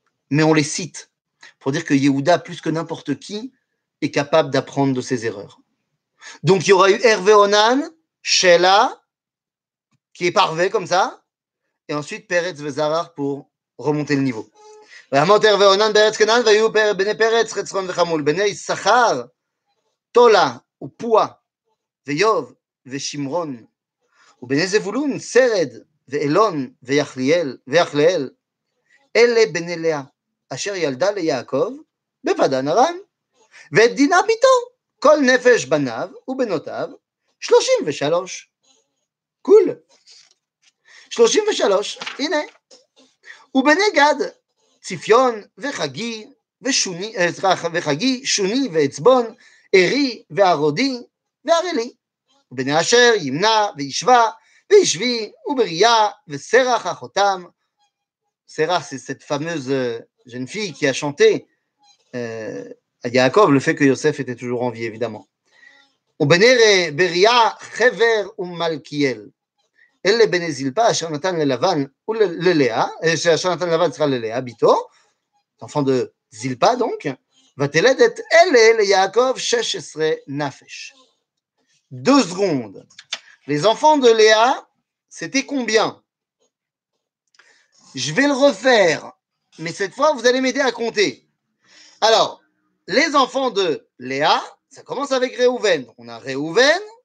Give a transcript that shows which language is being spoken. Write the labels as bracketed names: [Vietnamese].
[French] Mais on les cite pour dire que Yehuda, plus que n'importe qui, est capable d'apprendre de ses erreurs. Donc il y aura eu Er et Onan, Shela, qui est parvé comme ça, et ensuite Peretz et Zarar pour remonter le niveau. [Hebrew] Vraiment, Er et Onan, Peretz Kenan, Vayu, Bene Peretz, Retzron et Chamoul, Bene Issachar, Tola, ou Poua, Veyov, ושימרון, ובני זבולון, סרד, ואלון, ויחליאל, אלה בני לאה, אשר ילדה ליעקב, בפדן ארם, ואת דינה ביתו, כל נפש בניו ובנותיו, 33. קול. 33, הנה. ובני גד, ציפיון, וחגי, ושוני, וחגי, שוני, ועצבון, ארי, וערודי, וערלי. ובני אשר ימנע וישבה וישבי ובריה וסרח אחותם. [French] סרח, c'est cette fameuse jeune fille qui a chanté à Yaakov le fait que Yosef était toujours en vie, évidemment. [Hebrew] ובני בריה חבר ומלכיאל. אלה בני זלפה אשר נתן ללבן וללאה, אשר נתן ללבן צריכה ללאה, ביתו, [French] enfant de [Hebrew] זלפה, [French] donc, [Hebrew] ותלד את אלה ליעקב 16 נפש. [French] Deux secondes. Les enfants de Léa, c'était combien ? Je vais le refaire, mais cette fois, vous allez m'aider à compter. Alors, les enfants de Léa, ça commence avec Réhouven. On a Réhouven,